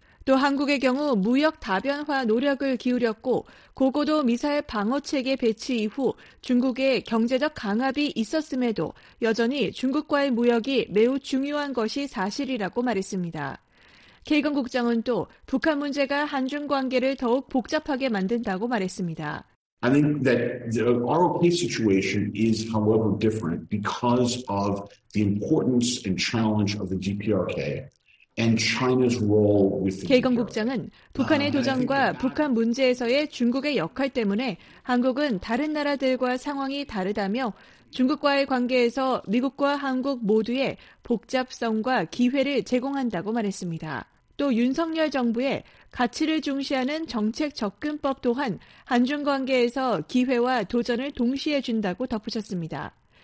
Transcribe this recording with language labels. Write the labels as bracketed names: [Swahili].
[Korean] 또 한국의 경우 무역 다변화 노력을 기울였고 고고도 미사일 방어체계 배치 이후 중국의 경제적 강압이 있었음에도 여전히 중국과의 무역이 매우 중요한 것이 사실이라고 말했습니다. 케이건 국장은 또 북한 문제가 한중 관계를 더욱 복잡하게 만든다고 말했습니다. [English] I think that the ROK situation is, however, different because of the importance and challenge of the DPRK and China's role with the. [Korean] 케이건 국장은 북한의 도전과 북한 문제에서의 중국의 역할 때문에 한국은 다른 나라들과 상황이 다르다며 중국과의 관계에서 미국과 한국 모두의 복잡성과 기회를 제공한다고 말했습니다. 또 윤석열 정부의 가치를 중시하는 정책 접근법 또한 한중 관계에서 기회와 도전을 동시에 준다고 덧붙였습니다.